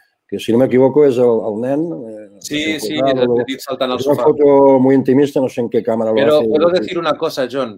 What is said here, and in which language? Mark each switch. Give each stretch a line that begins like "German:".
Spanish: Que si no me equivoco es el nen.
Catalan: Sí, el petit saltant al sofà.
Spanish: Es una foto muy intimista, no sé en qué cámara lo hace. Pero puedo decir una cosa, John.